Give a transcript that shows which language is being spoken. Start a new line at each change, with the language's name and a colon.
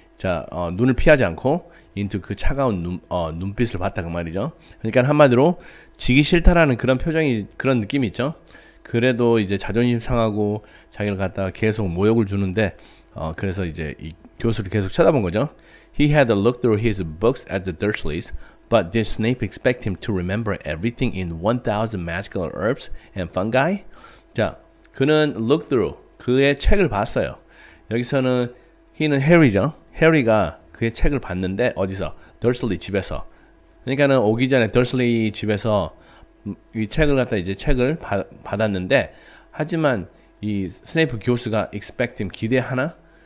Korean: 자, 눈을 피하지 않고 into 그 차가운 눈빛을 봤다 그 말이죠. 그러니까 한마디로 지기 싫다라는 그런 표정이, 그런 느낌이 있죠. 그래도 이제 자존심 상하고 자기를 갖다가 계속 모욕을 주는데 그래서 이제 이 교수를 계속 쳐다본 거죠.
English: He had a look through his books at the Dursleys, but did Snape expect him to remember everything in 1000 magical herbs and fungi?
Korean: 자, 그는 look through, 그의 책을 봤어요. 여기서는 he는 해리죠. 해리가 그의 책을 봤는데 어디서? 더슬리 집에서. 그러니까는 오기 전에 더슬리 집에서 이 책을 갖다 이제 책을 받았는데 하지만 이 스네이프 교수가
English: expect him
Korean: 기대하나?